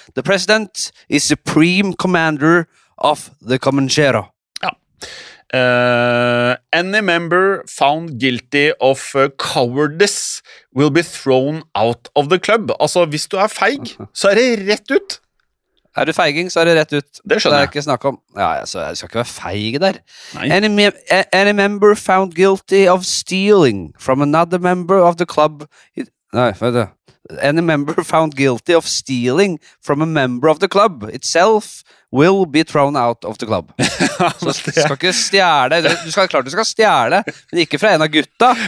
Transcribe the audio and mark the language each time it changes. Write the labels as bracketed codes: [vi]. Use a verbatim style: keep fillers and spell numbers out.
[en] The President is Supreme Commander of the Comanchero. [no] Ja. [en] Uh, any member found guilty of uh, cowardice will be thrown out of the club. [no] Altså, hvis du er feig, så er det rett ut. Er du feiging, så er det rett ut. Det skjønner jeg. Det er ikke snakk om. Ja, altså, jeg skal ikke være feig der. [en] Any, mem- any member found guilty of stealing from another member of the club. It- [no] Nei, vet du. [en] Any member found guilty of stealing from a member of the club itself will be thrown out of the club. [no] Så du skal ikke stjæle. Du skal, klart du skal stjæle, men ikke fra en av gutta.